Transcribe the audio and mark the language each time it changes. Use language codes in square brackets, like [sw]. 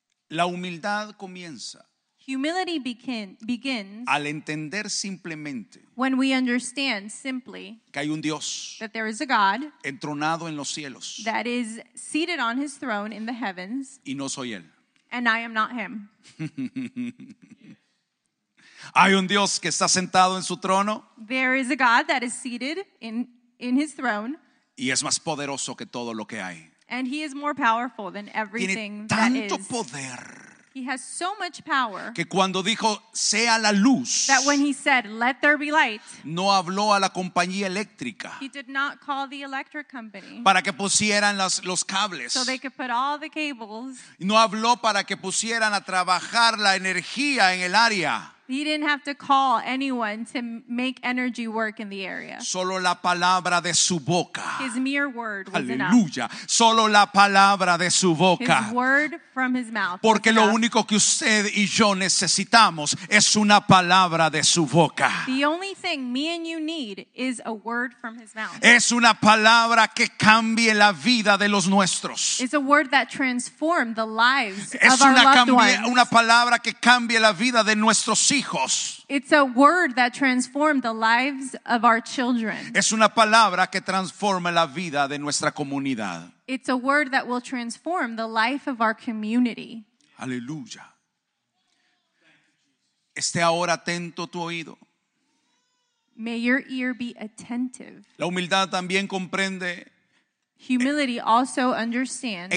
[es] La humildad comienza. [en] Humility begins [es] al entender simplemente [en] when we understand simply [es] que hay un Dios [en] that there is a God [es] entronado en los cielos [en] that is seated on his throne in the heavens [es] y no soy él. [en] And I am not him. [es] Hay un Dios que está sentado en su trono. [en] There is a God that is seated in his throne [es] y es más poderoso que todo lo que hay. [en] And he is more powerful than everything that is. [es] Tiene tanto poder. [en] He has so much power [es] que cuando dijo, sea la luz, [en] that when he said, let there be light, [es] no habló a la compañía eléctrica, [en] he did not call the electric company [es] para que pusieran los cables. [en] So they could put all the cables. [es] No habló para que pusieran a trabajar la energía en el área. [en] He didn't have to call anyone to make energy work in the area. [es] Solo la palabra de su boca. [en] His mere word was Hallelujah. Enough. [es] Hallelujah. Solo la palabra de su boca. [en] His word from his mouth. [es] Porque lo único que usted y yo necesitamos es una palabra de su boca. [en] The only thing me and you need is a word from his mouth. [es] Es una palabra que cambie la vida de los nuestros. [en] It's a word that transformed the lives [es] es [en] of our loved ones. [es] Es una palabra que cambie la vida de nuestros hijos. [en] It's a word that transformed the lives of our children. [es] Es una palabra que transforma la vida de nuestra comunidad. [en] It's a word that will transform the life of our community. Aleluya. [es] Esté ahora atento tu oído. [en] May your ear be attentive. [es] La humildad también comprende. [en] Humility also understands